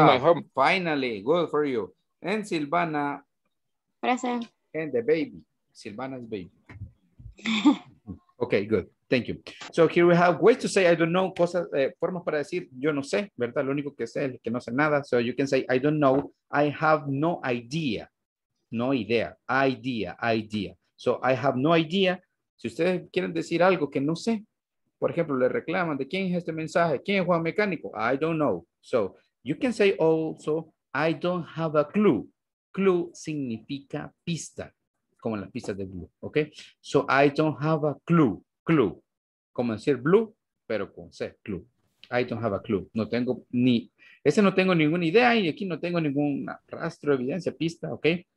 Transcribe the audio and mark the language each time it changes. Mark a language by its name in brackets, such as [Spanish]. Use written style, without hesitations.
[English] In my home. Finally. Good for you. And Silvana. Present. And the baby. Silvana's baby. Okay, good. Thank you. So here we have ways to say I don't know, [Spanish] cosas, formas para decir yo no sé, ¿verdad? Lo único que sé es que no sé nada. [English] So you can say I don't know, I have no idea. No idea, idea. So I have no idea. [Spanish] Si ustedes quieren decir algo que no sé, por ejemplo, le reclaman de quién es este mensaje, quién es Juan Mecánico, [English] I don't know. So you can say also I don't have a clue. [Spanish] Clue significa pista, como las pistas de Blue, ¿ok? [English] So I don't have a clue. Clue, [Spanish] como decir blue, pero con C, [English] clue. I don't have a clue. [Spanish] No tengo ni, ese no tengo ninguna idea y aquí no tengo ningún rastro, evidencia, pista, ok.